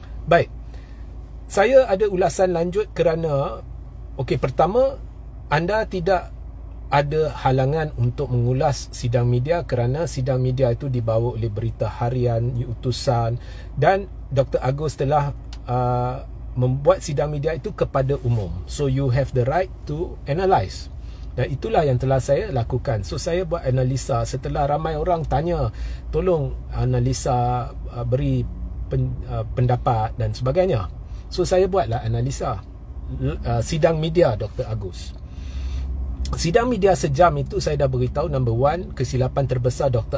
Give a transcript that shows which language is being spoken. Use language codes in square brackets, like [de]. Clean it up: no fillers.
[ms] Baik, saya ada ulasan lanjut kerana, okey, pertama, anda tidak ada halangan untuk mengulas sidang media kerana sidang media itu dibawa oleh Berita Harian, Utusan, dan Dr. Agus telah membuat sidang media itu kepada umum. [en] So you have the right to analyse. [ms] Dan itulah yang telah saya lakukan. So saya buat analisa setelah ramai orang tanya, tolong analisa, beri pendapat dan sebagainya. So saya buatlah analisa sidang media Dr. Agus. Sidang media sejam itu saya dah beritahu, number one, kesilapan terbesar Dr.